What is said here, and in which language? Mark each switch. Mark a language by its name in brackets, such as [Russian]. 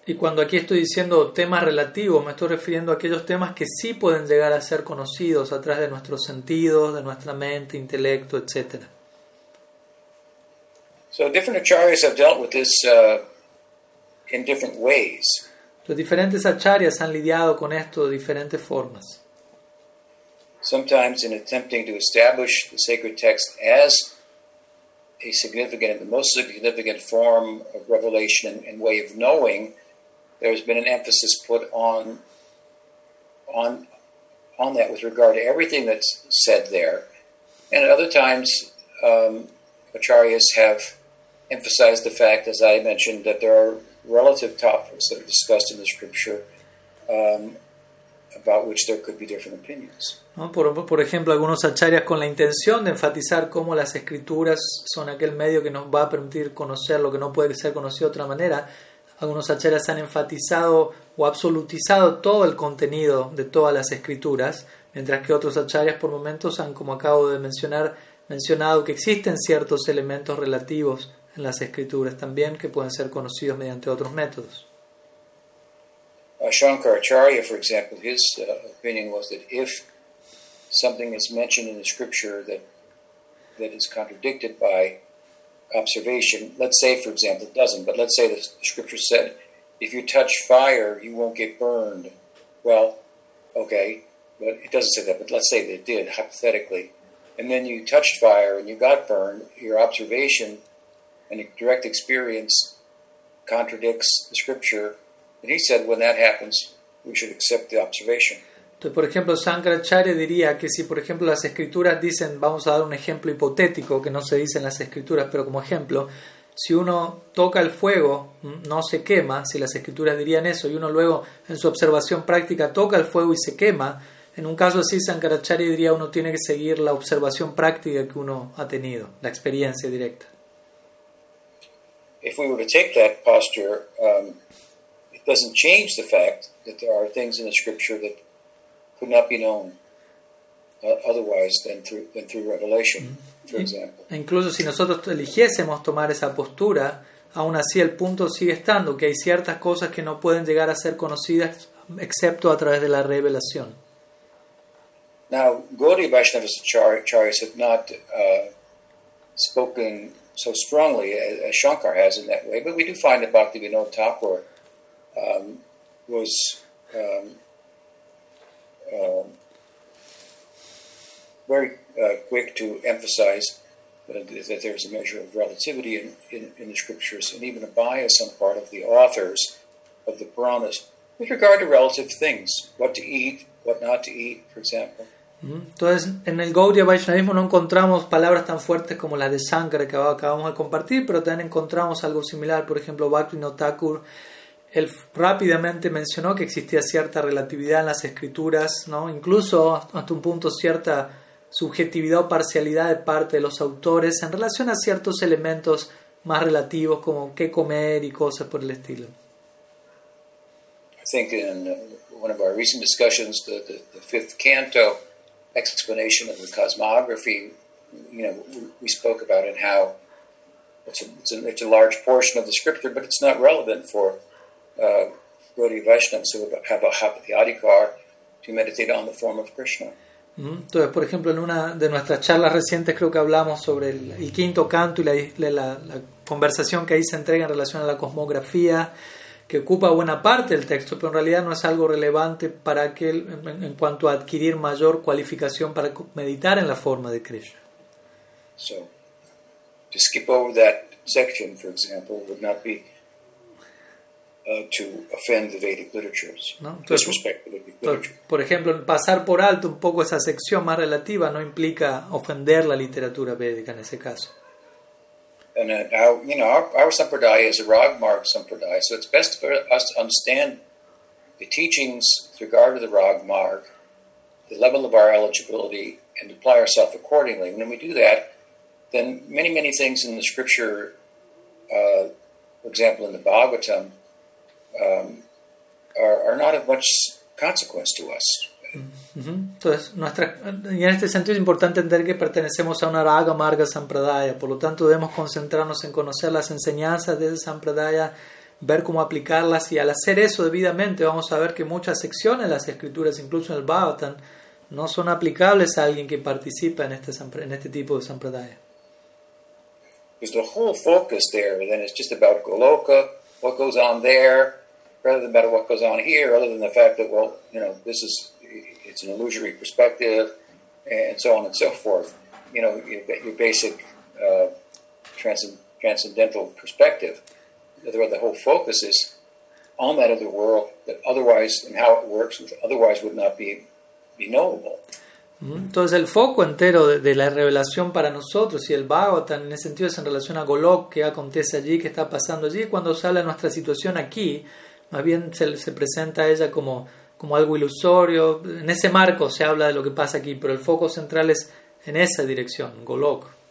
[Spanish] Y cuando aquí estoy diciendo temas relativos, me estoy refiriendo a aquellos temas que sí pueden llegar a ser conocidos a través de nuestros sentidos, de nuestra mente, intelecto, etc. [English] So different acharyas have dealt with this in different ways. [Spanish] Los diferentes acharyas han lidiado con esto de diferentes formas. [English] Sometimes in attempting to establish the sacred text as a significant, the most significant form of revelation and way of knowing, there's been an emphasis put on that with regard to everything that's said there. And at other times, acharyas have emphasized the fact, as I mentioned, that there are relative topics that are discussed in the scripture about which there could be different opinions. [Spanish] ¿No? Por ejemplo, algunos acharyas con la intención de enfatizar cómo las escrituras son aquel medio que nos va a permitir conocer lo que no puede ser conocido de otra manera, algunos acharyas han enfatizado o absolutizado todo el contenido de todas las escrituras, mientras que otros acharyas por momentos han, como acabo de mencionar, mencionado que existen ciertos elementos relativos en las escrituras también que pueden ser conocidos mediante otros métodos. [English] Shankaracharya, for example, his opinion was that if something is mentioned in the scripture that is contradicted by observation, let's say, for example, it doesn't, but let's say the scripture said, if you touch fire, you won't get burned. Well, okay, but it doesn't say that, but let's say that it did, hypothetically. And then you touched fire and you got burned, your observation and direct experience contradicts the scripture, And he said, when that happens, we should accept the observation. [Spanish] Entonces, por ejemplo, Shankaracharya diría que si, por ejemplo, las escrituras dicen, vamos a dar un ejemplo hipotético que no se dice en las escrituras, pero como ejemplo, si uno toca el fuego, no se quema, si las escrituras dirían eso, y uno luego en su observación práctica toca el fuego y se quema, en un caso así Shankaracharya diría uno tiene que seguir la observación práctica que uno ha tenido, la experiencia directa. [English] If we were to take that posture, it doesn't change the fact that there are things in the scripture that could not be known otherwise than through revelation, for example. [Spanish] Incluso si nosotros eligiésemos tomar esa postura, aún así el punto sigue estando, que hay ciertas cosas que no pueden llegar a ser conocidas excepto a través de la revelación. [English] Now, Gaudiya Vaishnavas Acharyas have not spoken so strongly as Shankar has in that way, but we do find that Bhaktivinoda Thakur was very quick to emphasize that there's a measure of relativity in the scriptures, and even a bias on the part of the authors of the Puranas with regard to relative things, what to eat, what not to eat, for example. [Spanish] Entonces, en el Gaudiya Vaishnavismo no encontramos palabras tan fuertes como las de Shankara que acabamos de compartir, pero también encontramos algo similar. Por ejemplo, Bhaktivinoda Thakur, él rápidamente mencionó que existía cierta relatividad en las escrituras, ¿no? Incluso hasta un punto cierta subjetividad o parcialidad de parte de los autores en relación a ciertos elementos más relativos como qué comer y cosas por el estilo. [English] I think in one of our recent discussions, the fifth canto explanation of the cosmography, you know, we spoke about it, how it's a large portion of the scripture, but it's not relevant for Gaudiya Vaishnavas who have a happy adhikar to meditate on the form of Krishna. [Spanish] Entonces, por ejemplo, en una de nuestras charlas recientes creo que hablamos sobre el quinto canto y la conversación que ahí se entrega en relación a la cosmografía, que ocupa buena parte del texto, pero en realidad no es algo relevante para aquel en cuanto a adquirir mayor cualificación para meditar en la forma de Krishna. [English] So, to skip over that section, for example, would not be to offend the Vedic literatures. [Spanish] ¿No? [English] Entonces, disrespect the Vedic literature. [Spanish] Por ejemplo, pasar por alto un poco esa sección más relativa no implica ofender la literatura védica en ese caso. [English] And our sampradaya is a ragmarg sampradaya, so it's best for us to understand the teachings with regard to the ragmarg, the level of our eligibility, and apply ourselves accordingly. When we do that, then many, many things in the scripture, for example, in the Bhagavatam, are not of much consequence to us. [Spanish] Entonces, y en este sentido es importante entender que pertenecemos a una raga marga sampradaya, por lo tanto debemos concentrarnos en conocer las enseñanzas de esa sampradaya, ver cómo aplicarlas, y al hacer eso debidamente vamos a ver que muchas secciones de las escrituras, incluso en el Bhagavatam, no son aplicables a alguien que participa en este tipo de sampradaya. [English] Because the whole focus there then is just about Goloka, what goes on there, rather than about what goes on here, other than the fact that, well, you know, this is, it's an illusory perspective, and so on and so forth. You know, your basic transcendental perspective. The whole focus is on that other world that otherwise, and how it works, which otherwise would not be knowable. [Spanish] Entonces, el foco entero de la revelación para nosotros y el Bhagavatam en ese sentido es en relación a Golok, que acontece allí, que está pasando allí. Cuando se habla de nuestra situación aquí, más bien se presenta a ella como algo ilusorio. En ese marco se habla de lo que pasa aquí, pero el foco central es en esa dirección, Golok.